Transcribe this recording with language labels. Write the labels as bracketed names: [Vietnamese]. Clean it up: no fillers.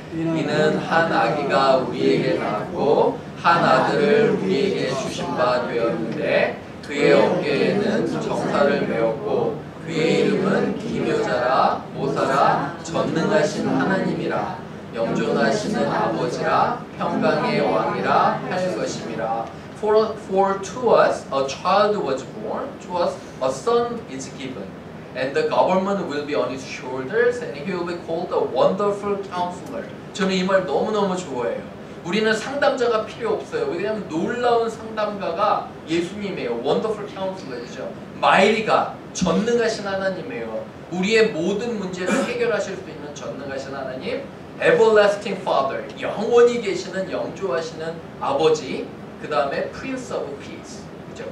[Korean] 이는 한 아기가 우리에게 낳고 한 아들을 우리에게 주신 바 되었는데 그의 어깨에는 정사를 메었고 그의 이름은 기묘자라 모사라 전능하신 하나님이라 영존하시는 아버지라 평강의 왕이라 하신 것입니다. [English] For to us a child was born, to us a son is given, and the government will be on his shoulders, and he will be called the Wonderful Counselor. [Korean] 저는 이 말 너무너무 좋아해요. 우리는 상담자가 필요 없어요. 왜냐하면 놀라운 상담가가 예수님이에요. [English] Wonderful Counselor [Korean] 이죠. [English] Mighty God, [Korean] 전능하신 하나님이에요. 우리의 모든 문제를 해결하실 수 있는 전능하신 하나님, [English] Everlasting Father, [Korean] 영원히 계시는 영주하시는 아버지, 그 다음에 [English] Prince of Peace, [Korean] 그죠?